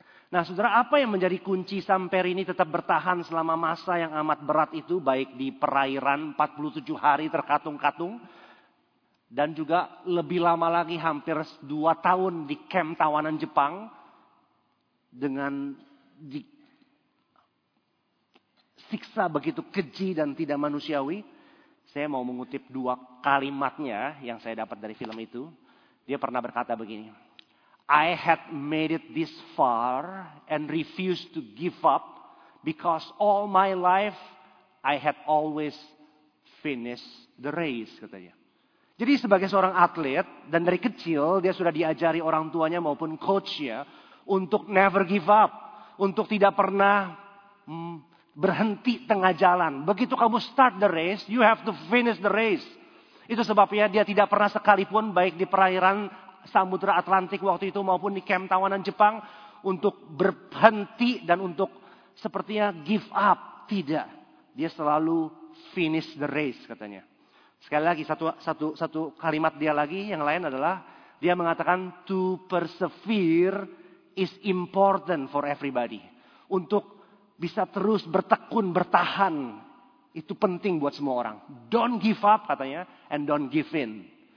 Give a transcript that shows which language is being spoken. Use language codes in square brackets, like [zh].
[id] Nah, saudara, apa yang menjadi kunci Samperini tetap bertahan selama masa yang amat berat itu, baik di perairan 47 hari terkatung-katung, dan juga lebih lama lagi hampir 2 tahun di kamp tawanan Jepang, dengan disiksa begitu keji dan tidak manusiawi? Saya mau mengutip 2 kalimatnya yang saya dapat dari film itu. Dia pernah berkata begini, [en] "I had made it this far and refused to give up because all my life I had always finished the race," [id] katanya. Jadi sebagai seorang atlet dan dari kecil dia sudah diajari orang tuanya maupun coachnya untuk [en] never give up, [id] untuk tidak pernah berhenti tengah jalan. Begitu kamu [en] start the race, you have to finish the race. [id] Itu sebabnya dia tidak pernah sekalipun baik di perairan Samudra Atlantik waktu itu maupun di kamp tawanan Jepang untuk berhenti dan untuk sepertinya [en] give up. [id] Tidak. Dia selalu [en] finish the race, [id] katanya. Sekali lagi, satu kalimat dia lagi yang lain adalah dia mengatakan [en] to persevere is important for everybody. [id] Untuk bisa terus bertekun, bertahan, itu penting buat semua orang. [en] Don't give up, [id] katanya, [en] and don't give in.